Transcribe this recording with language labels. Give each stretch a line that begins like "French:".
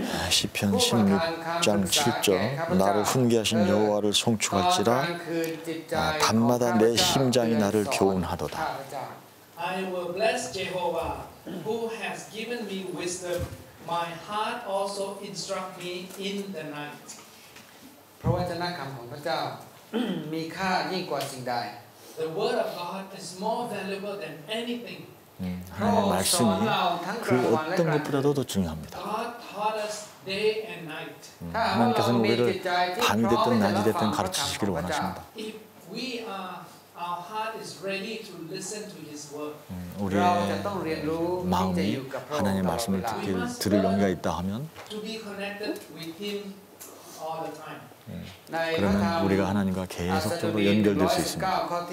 Korean: 시편 16장 7절 나를 훈계하신 여호와를 송축할지라 밤마다 내 심장이 나를 교훈하도다.
English: I will bless Jehovah who has given me wisdom. My heart also instruct me in the night.
Thai: พระวจนะคำของพระเจ้ามีค่ายิ่งกว่าสิ่งใด
English: The word of God is more valuable than anything.
Korean: 하나님의 말씀이 그 어떤 것보다도 더 중요합니다.
English: God taught us day and night.
Korean: 하나님께서는 우리를 밤이 됐든 낮이 됐든 가르치시기를 원하십니다.
English: If we are Our heart is ready to listen to His word.
Korean: 우리의 마음이 하나님의 말씀을 들을 용기가 있다 하면,
English: to be connected with Him all the time.
Korean: 그러면 우리가 하나님과 계속적으로 연결될 수 있습니다.